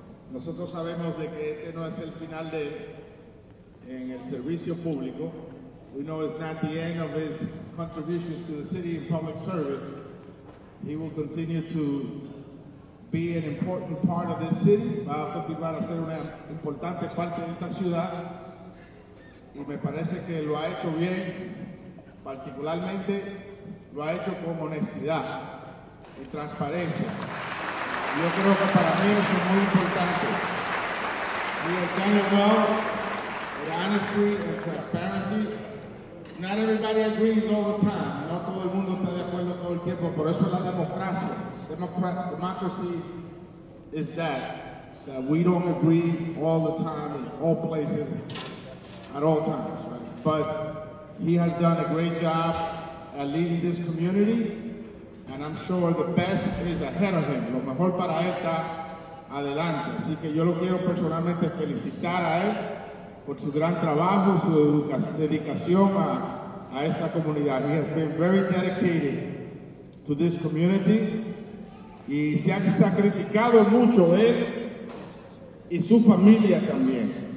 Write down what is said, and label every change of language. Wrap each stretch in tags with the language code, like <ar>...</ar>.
<es>Nosotros sabemos de que este no es el final de él en el servicio público.</es> <en>We know it's not the end of his contributions to the city in public service. He will continue to be an important part of this city.</en> <es>Va a continuar a ser una importante parte de esta ciudad. Y me parece que lo ha hecho bien, particularmente lo ha hecho con honestidad y transparencia. Yo creo que para mí eso es muy importante.</es> <en>He has done it well with honesty and transparency. Not everybody agrees all the time.</en> <es>No todo el mundo está de acuerdo todo el tiempo, por eso es la democracia.</es> <en>Democracy is that we don't agree all the time in all places. At all times, right? But he has done a great job at leading this community, and I'm sure the best is ahead of him.</en> <es>Lo mejor para él está adelante. Así que yo lo quiero personalmente felicitar a él por su gran trabajo, su dedicación a esta comunidad.</es> <en>He has been very dedicated to this community,</en> <es>y se han sacrificado mucho él y su familia también.</es>